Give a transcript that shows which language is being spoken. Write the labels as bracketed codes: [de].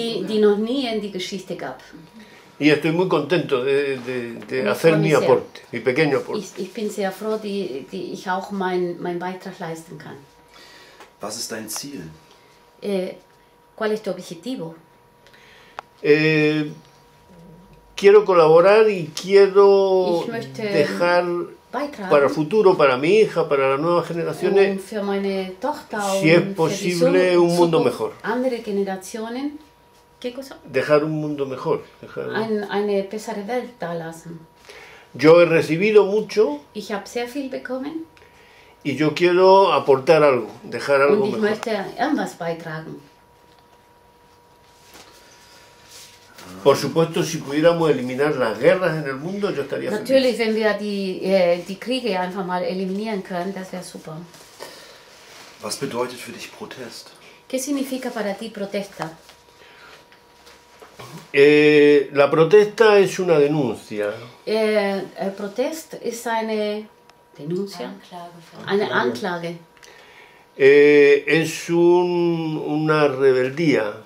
[de] die noch nie in die Geschichte gab. [es] Y estoy muy contento de hacer mi aporte, mi pequeño aporte. [de] Ich bin sehr froh, die ich auch mein Beitrag leisten kann. Was ist dein Ziel? [es] ¿Cuál es tu objetivo? Quiero colaborar y quiero dejar para el futuro, para mi hija, para las nuevas generaciones, si es posible, un mundo mejor. [de] Andere Generationen, [es] ¿qué cosa? Dejar un mundo mejor. [de] Eine bessere Welt da lassen. [es] Yo he recibido mucho. [de] Ich habe sehr viel bekommen. [es] Y yo quiero aportar algo, dejar algo mejor. [de] Und ich möchte irgendwas beitragen. [es] Por supuesto, si pudiéramos eliminar las guerras en el mundo, yo estaría feliz. [de] Natürlich, wenn wir die Kriege einfach mal eliminieren können, das wäre super. Was bedeutet für dich Protest? [es] ¿Qué significa para ti protesta? La protesta es una denuncia. El protest es una denuncia. [de] Anklage. [es] Es una rebeldía.